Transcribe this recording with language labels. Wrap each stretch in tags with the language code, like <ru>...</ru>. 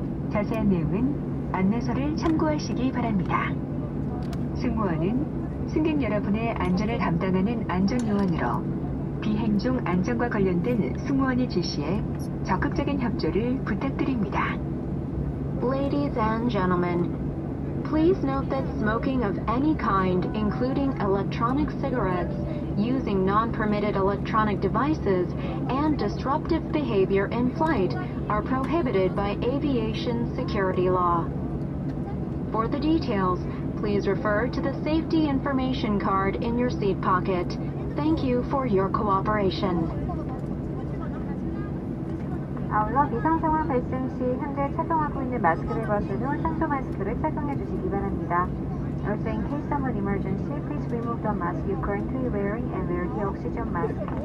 <ko>자세한 내용은 안내서를 참고하시기 바랍니다. 승무원은 승객 여러분의 안전을 담당하는 안전요원으로 비행 중 안전과 관련된 승무원이 지시해 적극적인 협조를 부탁드립니다.</ko> <en>Ladies and gentlemen, please note that smoking of any kind, including electronic cigarettes, using non-permitted electronic devices, and disruptive behavior in flight are prohibited by aviation security law. For the details, please refer to the safety information card in your seat pocket. Thank you for your cooperation.</en> <ko>아울러 비상 상황 발생 시 현재 착용하고 있는 마스크를 벗은 후 산소 마스크를 착용해 주시기 바랍니다.</ko> <en>Also, in case of an emergency, please remove the mask you're currently wearing and wear the oxygen mask.</en>